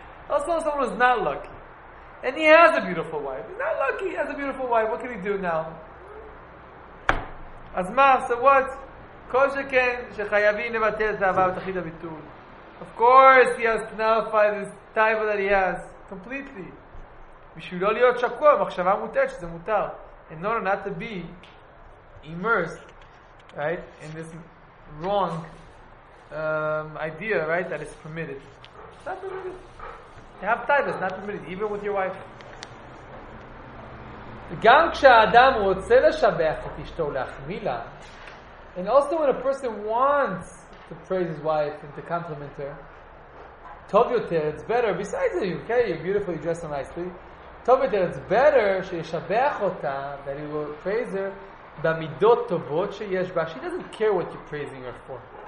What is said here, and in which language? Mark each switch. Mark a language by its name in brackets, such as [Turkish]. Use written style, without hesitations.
[English] Also, someone is not lucky. And he has a beautiful wife. He's not lucky. He has a beautiful wife. What can he do now? As ma, so what? [Hebrew] Kol sheken shechayavim nevatel zahava v'tachid habitul. [English] Of course he has to nullify this taiva that he has. Completely. [Hebrew] בשביל לא להיות שקוע, מחשבה מוטעת שזה מותר. [English] In order not to be immersed, right, in this wrong idea, right, that it's permitted. It's not permitted. You have taiva, not permitted, even with your wife. [Hebrew] גם כשהאדם רוצה לשבח את אשתו ולהחמיא לה, [English] and also when a person wants to praise his wife and to compliment her, [Hebrew] טוב יותר, [English] it's better, besides you, okay, you're beautiful, you dress so nicely, טוב יותר, it's better [Hebrew] שישבח אותה, [English] that he will praise her, [Hebrew] במידות טובות שיש בה. [English] She doesn't care what you're praising her for.